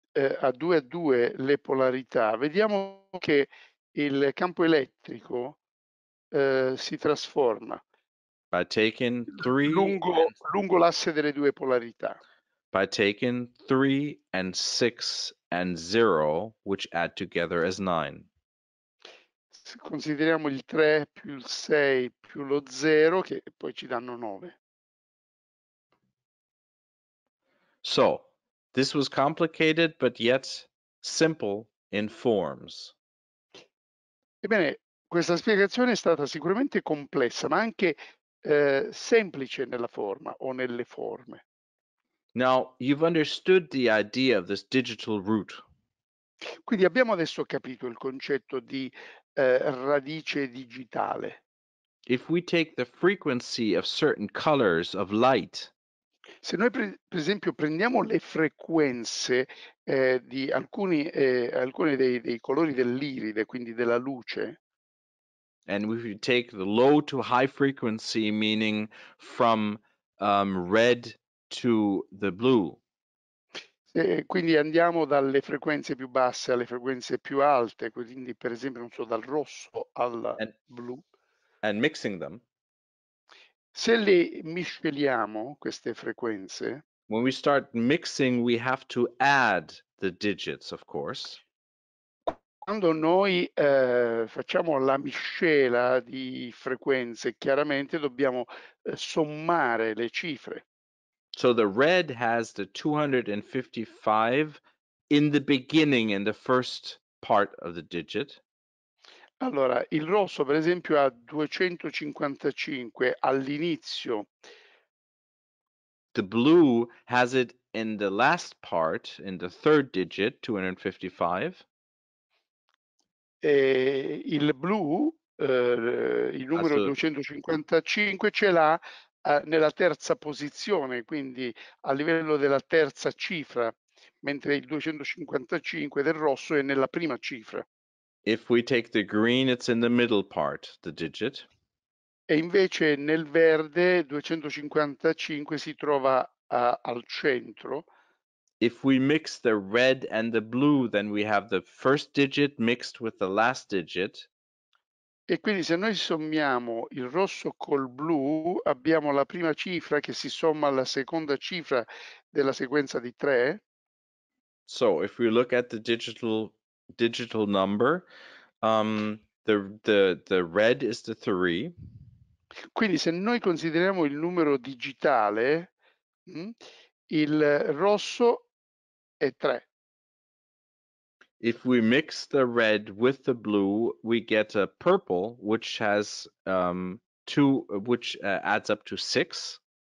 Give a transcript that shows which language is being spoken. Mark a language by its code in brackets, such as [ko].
[it] a 2 a 2 le polarità, vediamo che il campo elettrico si trasforma [en] by taking three [it] lungo l'asse delle due polarità. [en] By taking 3 and 6 and 0, which add together as 9. [it] Se consideriamo il 3 più il 6 più lo 0, che poi ci danno 9. [en] So, this was complicated but yet simple in forms. [it] Ebbene, questa spiegazione è stata sicuramente complessa, ma anche semplice nella forma o nelle forme. [en] Now, you've understood the idea of this digital root. [it] Quindi abbiamo adesso capito il concetto di radice digitale. [en] If we take the frequency of certain colors of light, [it] se noi per esempio prendiamo le frequenze di alcuni dei colori dell'iride, quindi della luce, [en] and if we take the low to high frequency, meaning from red to the blue, [it] quindi andiamo dalle frequenze più basse alle frequenze più alte, quindi per esempio non so, dal rosso al blu, [en] and mixing them. [it] Se le misceliamo queste frequenze, [en] when we start mixing, we have to add the digits, of course. [it] Quando noi facciamo la miscela di frequenze, chiaramente dobbiamo sommare le cifre. [en] So the red has the 255 in the beginning, in the first part of the digit. [it] Allora, il rosso, per esempio, ha 255 all'inizio. [en] The blue has it in the last part, in the third digit, 255. [it] E il blu, il numero 255, ce l'ha nella terza posizione, quindi a livello della terza cifra, mentre il 255 del rosso è nella prima cifra. [en] If we take the green, it's in the middle part, the digit. [it] E invece nel verde 255 si trova al centro. [en] If we mix the red and the blue, then we have the first digit mixed with the last digit. [it] E quindi se noi sommiamo il rosso col blu, abbiamo la prima cifra che si somma alla seconda cifra della sequenza di tre. [en] So, if we look at the digital number, the red is the 3. [it] Quindi se noi consideriamo il numero digitale, il rosso è 3. [en] If we mix the red with the blue, we get a purple which has 2, which adds up to 6.